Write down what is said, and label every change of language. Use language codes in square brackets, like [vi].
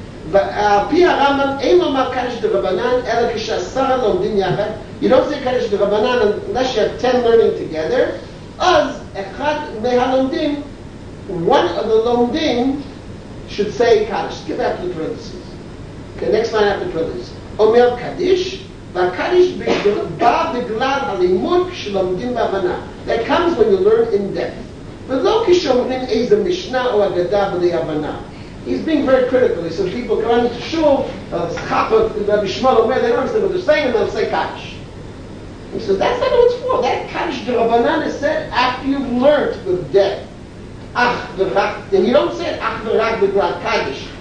[he] ועל-פי הרמב״ם, אין לומר קדש דרבנן, אלא כשעשרה לומדים יחד. [en] You don't say קדש דרבנן, unless you have 10 learning together. [he] אז אחד מהלומדים, [en] one of the לומדים, should say קדש. Give that to the parentheses. Okay, next line after the parentheses. [he] אומר קדיש, והקדיש בא בגלל הלימוד כשלומדים בהבנה. [en] That comes when you learn in depth. [he] ולא כשאומרים איזה משנה או אגדה בלי הבנה. [en] He's being very critical. He says people go into shul, Rabbi Shmuel, where they don't understand what they're saying, and they'll say kaddish. He says that's not what it's for. That kaddish de Rabbanan is said after you've learned with death. Ach v'rach, and you don't say it ach v'rach v'glad kaddish.